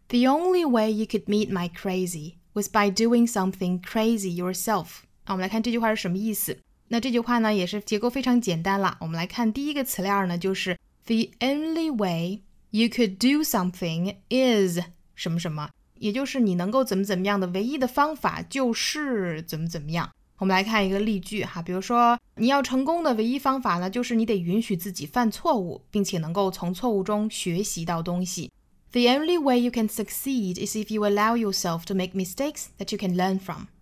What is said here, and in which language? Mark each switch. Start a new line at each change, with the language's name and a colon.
English: The only way you could meet my crazy was by doing something crazy yourself。
Chinese: 那我们来看这句话是什么意思。那这句话呢也是结构非常简单了，我们来看第一个词链呢，就是
English: The only way you could do something is
Chinese: 什么什么，也就是你能够怎么怎么样的唯一的方法就是怎么怎么样。我们来看一个例句哈，比如说你要成功的唯一方法呢，就是你得允许自己犯错误，并且能够从错误中学习到东西。
English: The only way you can succeed is if you allow yourself to make mistakes that you can learn from。